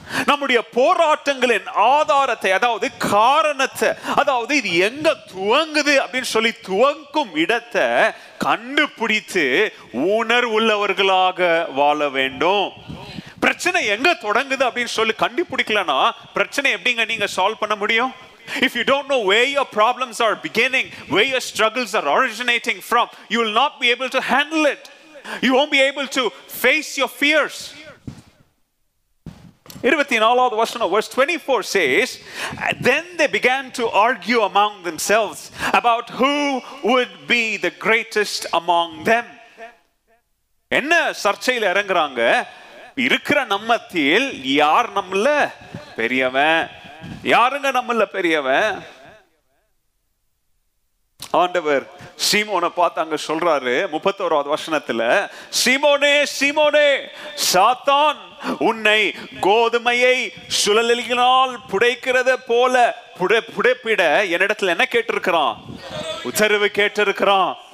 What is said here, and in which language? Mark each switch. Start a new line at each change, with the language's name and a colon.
Tamil: நம்முடைய போராட்டங்களின் ஆதாரத்தை, அதாவது காரணத்தை, அதாவது இது எங்க துவங்குது அப்படின்னு சொல்லி துவங்கும் இடத்தை கண்டுபிடித்து உணர்வுள்ளவர்களாக வாழ வேண்டும். பிரச்சனை எங்க தொடங்குது அப்படின்னு சொல்லி கண்டுபிடிக்கலனா பிரச்சனை எப்படிங்க நீங்க சால்வ் பண்ண முடியும்?
English: If you don't know where your problems are beginning, where your struggles are originating from, you will not be able to handle it. You won't be able to face your fears. 24th verse, verse 24 says, Then they began to argue among themselves about who would be the greatest among them.
Tamil: Enna sarchayil irangraanga, irukkira nammathil yaar nammala periyavan, யாருங்க நம்மள பெரியவன். ஆண்டவர் சீமோனை பார்த்து அங்க சொல்றாரு 31வது வசனத்துல, சீமோனே சீமோனே, சாத்தான் உன்னை கோதுமையை சுழலினால் புடைக்கிறத போல புடைப்பிட என்னிடத்துல என்ன கேட்டிருக்கிறான், உத்தரவு கேட்டிருக்கிறான்.